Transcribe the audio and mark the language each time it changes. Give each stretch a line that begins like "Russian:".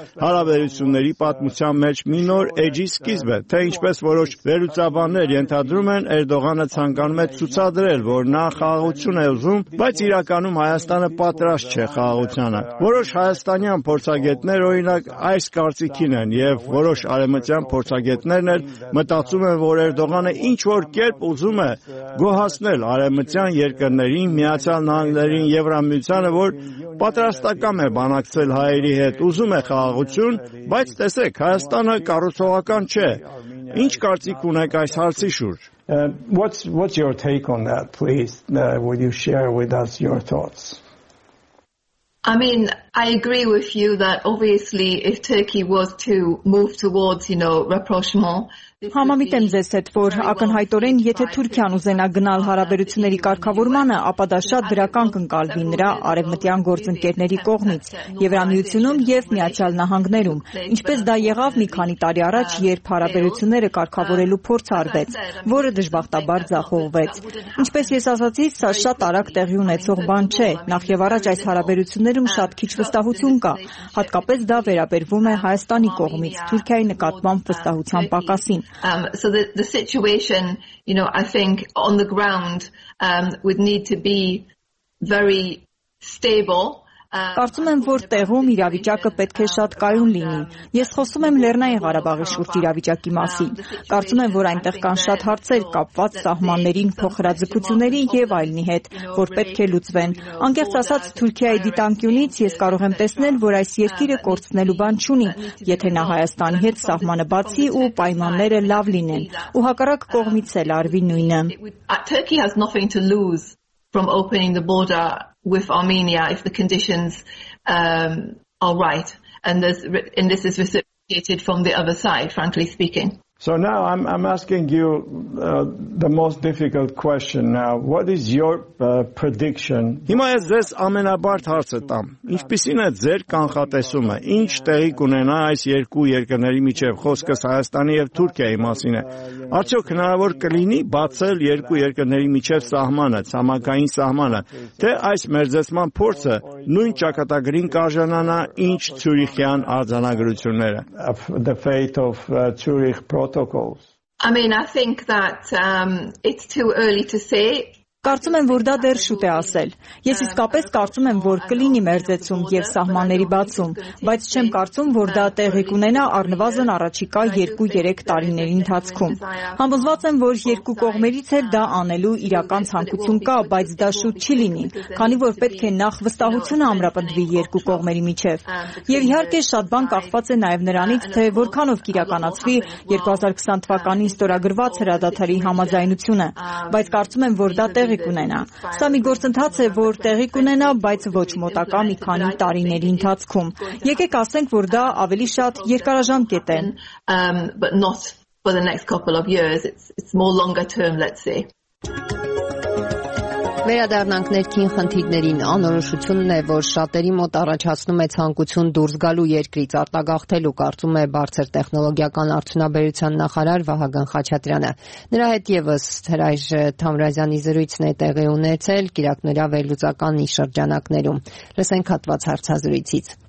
Armenian: հարաբերությունների պատմության մեջ մի նոր էջի սկիզբ է, թե ինչպես որոշ վերլուծաբաններ ենթադրում են, Էրդողանը ցանկանում է ցուցադրել, որ նա խաղաղություն է ուզում, բայց իրականում Հայաստանը պատրաստ չէ խաղաղությանը։ Որոշ հայաստանյան փորձագետներ, օրինակ, այս կարծիքին են, և որոշ արևմտյան փորձագետներն էլ մտածում են, որ Էրդողանը ինչ-որ կերպ ուզում է գոհացնել արևմտյան երկրներին, Միացյալ Նահանգներին, Եվրամիությանը, որ պատրաստական է բանակցել հայերի հետ, ուզում է խաղաղություն, բայց տեսեք, Հայաստանը կառուցողական չէ։ Ինչ կարծիք ունեք այս հարցի շուրջ?
English: What's your take on that, please? Would you share with us your thoughts? I mean, I agree with you that obviously if Turkey was to move towards, you know, rapprochement,
Armenian: Համամիտ եմ ձեզ հետ, որ ակնհայտորեն, եթե Թուրքիան ուզենա գնալ հարաբերությունների կարգավորմանը, ապա դա շատ դրական կընկալվի նրա արևմտյան գործընկերների կողմից, Եվրամիությունում և Միացյալ Նահանգներում, ինչպես դա եղավ մի քանի տարի առաջ, երբ հարաբերությունները կարգավորելու փորձ արվեց, որը դժբախտաբար ձախողվեց։ Ինչպես ես ասացի, սա շատ արագ տեղի ունեցող բան չէ, նախևառաջ այս հարաբերություններում շատ քիչ վստահություն կա, հատկապես դա վերաբերվում է Հայաստանի կողմից Թուրքիայի նկատմամբ վստահության պակասին։
English: So the situation, you know, I think on the ground would need to be very stable.
Armenian: Կարծում եմ, որ տեղում իրավիճակը պետք է շատ կայուն լինի։ Ես խոսում եմ Լեռնային Ղարաբաղի շուրջ իրավիճակի մասին։ Կարծում եմ, որ այնտեղ կան շատ հարցեր կապված սահմաններին փոխհրաձգությունների եւ այլնի հետ, որ պետք է լուծվեն։ Անկեղծ ասած, Թուրքիայի դիտանկյունից ես կարող եմ տեսնել, որ այս երկիրը կորցնելու բան չունի, եթե նա Հայաստանի հետ սահմանը բացի ու պայմանները լավ լինեն, ու հակառակ կողմից էլ արվի նույնը։
English: Turkey has nothing to lose from opening the border with Armenia if the conditions are right, and this is reciprocated from the other side, frankly speaking. So now I'm asking you the most difficult question now. What is your prediction?
Armenian: Հիմա ես ձեզ ամենաբարդ հարցը տամ։ Ինչպիսին է ձեր կանխատեսումը, ինչ տեղի կունենա այս երկու երկրների միջև, խոսքը Հայաստանի և Թուրքիայի մասին է։ Արդյոք հնարավոր կլինի բացել երկու երկրների միջև սահմանը, ցամաքային սահմանը, թե այս մերձեցման փորձը նույն ճակատագրին կարժանանա, ինչ Ցյուրիխյան արձանագրությունները?
English: The fate of Zurich protocols. I mean, I think that it's too early to say
Armenian: Կարծում եմ, որ դա դեռ շուտ է ասել։ Ես իսկապես կարծում եմ, որ կլինի մերձեցում եւ սահմանների բացում, բայց չեմ կարծում, որ դա տեղի կունենա առնվազն առաջիկա 2-3 տարիների ընթացքում։ Համոզված եմ, որ երկու կողմերից էլ դա անելու իրական ցանկություն կա, բայց դա շուտ չի լինի, քանի որ պետք է նախ վստահությունը ամրապնդվի երկու կողմերի միջև։ Եվ իհարկե շատ բան կախված է նաեւ նրանից, թե որքանով կիրականացվի 2020 թվականին ստորագրված հրադադարի համաձայնությունը, բայց կարծում եմ, որ դա տեղի կունենա։ Սա մի գործընթաց է, որ տեղի կունենա, բայց ոչ մոտակա մի քանի տարիների ընթացքում։ Եկեք ասենք, որ դա ավելի շատ երկարաժամկետ է։
English: But not for the next couple of years, it's more longer term, let's say.
Armenian: Վերադառնանք ներքին խնդիրներին, անորոշությունն է, որ շատերի մոտ առաջացնում է ցանկություն դուրս գալու երկրից, արտագաղթելու, կարծում է բարձր տեխնոլոգիական արդյունաբերության նախարար Վահագն Խաչատրյանը։ Նրա հետ ևս Հրայժ Թամրազյանի զրույցն է տեղի ունեցել Կիրակնորյա վերլուծականի շրջանակներում։ Լսենք հատված հարցազրույցից։